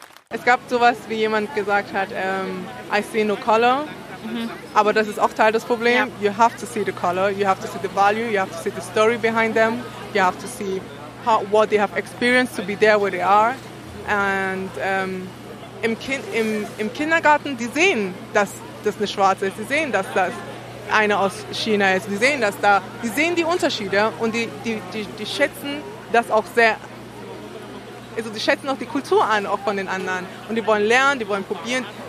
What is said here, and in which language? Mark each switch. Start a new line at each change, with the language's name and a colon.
German: Es gab sowas, wie jemand gesagt hat,
English: I see no color,
German: aber das ist auch Teil des Problems.
English: Yeah. You have to see the color, you have to see the value, you have to see the story behind them, you have to see what they have experienced to be there where they are. And
German: im Kindergarten, die sehen, dass das eine Schwarze ist, die sehen, dass das eine aus China ist, die sehen das da, die sehen die Unterschiede und die schätzen das auch sehr. Also die schätzen auch die Kultur an, auch von den anderen. Und die wollen lernen, die wollen probieren.